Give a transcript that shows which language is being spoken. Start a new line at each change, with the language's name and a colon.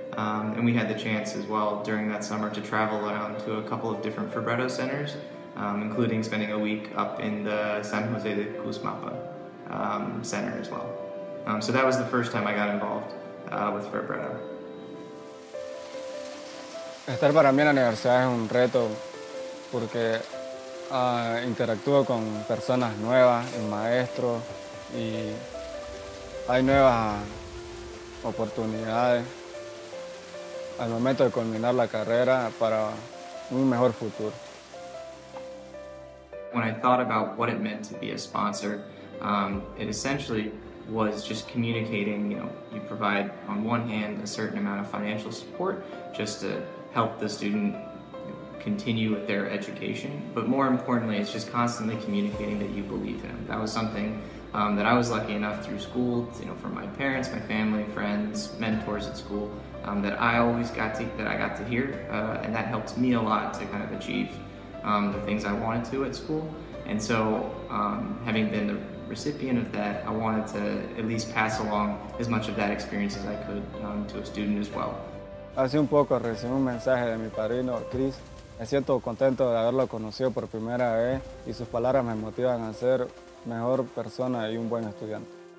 English: And we had the chance as well during that summer to travel around to a couple of different Fabretto centers, including spending a week up in the San Jose de Cusmapa center as well. So that was the first time I got involved with Fabretto.
Spanish: Estar para mí en la universidad es un reto porque interactúo con personas nuevas, el maestro, y hay nuevas oportunidades al momento de culminar la carrera para un mejor futuro.
English: When I thought about what it meant to be a sponsor, it essentially was just communicating, you know, you provide on one hand a certain amount of financial support just to help the student continue with their education, but more importantly, it's just constantly communicating that you believe in them. That was something that I was lucky enough through school, you know, from my parents, my family, friends, mentors at school, that I got to hear, and that helped me a lot to kind of achieve the things I wanted to at school. And so having been the recipient of that, I wanted to at least pass along as much of that experience as I could to a student as well.
Spanish: Hace un poco recibí un mensaje de mi padrino, Chris. Me siento contento de haberlo conocido por primera vez y sus palabras me motivan a ser mejor persona y un buen estudiante.